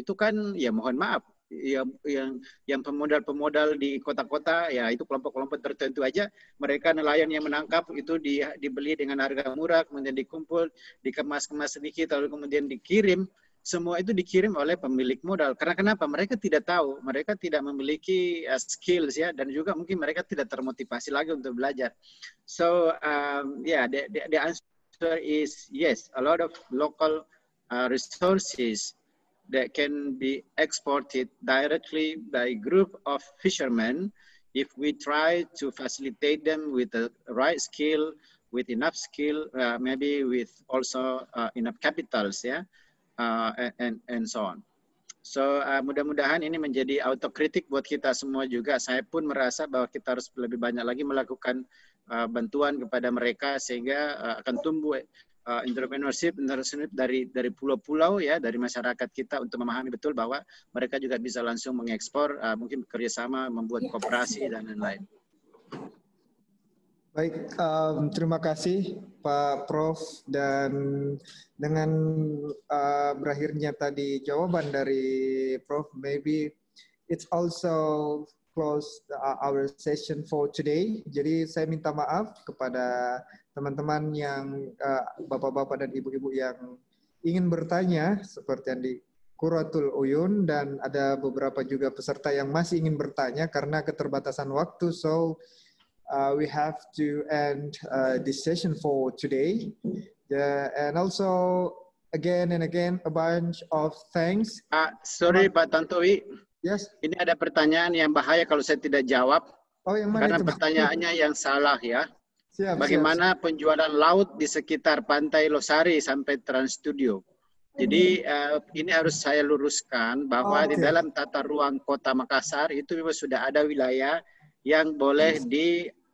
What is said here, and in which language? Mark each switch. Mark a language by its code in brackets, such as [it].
[id] Itu kan ya mohon maaf ya, yang pemodal-pemodal di kota-kota ya, itu kelompok-kelompok tertentu aja, mereka nelayan yang menangkap itu dibeli dengan harga murah, kemudian dikumpul, dikemas-kemas sedikit, lalu kemudian dikirim. Semua itu dikirim oleh pemilik modal. Karena kenapa? Mereka tidak tahu, mereka tidak memiliki skills ya, dan juga mungkin mereka tidak termotivasi lagi untuk belajar. [en] So, the answer is yes. A lot of local resources that can be exported directly by group of fishermen if we try to facilitate them with the right skill, with enough skill, maybe with also enough capitals ya. And so on. [id] So mudah-mudahan ini menjadi autokritik buat kita semua juga. Saya pun merasa bahwa kita harus lebih banyak lagi melakukan bantuan kepada mereka sehingga akan tumbuh entrepreneurship dari pulau-pulau ya, dari masyarakat kita untuk memahami betul bahwa mereka juga bisa langsung mengekspor, mungkin kerjasama membuat koperasi dan lain-lain. Baik, terima kasih Pak Prof. Dan dengan berakhirnya tadi jawaban dari Prof, [en] maybe it's also close our session for today. [id] Jadi saya minta maaf kepada teman-teman yang bapak-bapak dan ibu-ibu yang ingin bertanya seperti yang di Kuratul Uyun, dan ada beberapa juga peserta yang masih ingin bertanya karena keterbatasan waktu. [en] So we have to end this session for today. And also, again and again, a bunch of thanks. Sorry, Pak Tantowi. Yes. [id] Ini ada pertanyaan yang bahaya kalau saya tidak jawab. Oh, yang mana? Karena pertanyaannya yang salah ya. Siap. Bagaimana siap. Penjualan laut di sekitar Pantai Losari sampai Trans Studio? Jadi ini harus saya luruskan bahwa di dalam tata ruang Kota Makassar itu memang sudah ada wilayah yang boleh di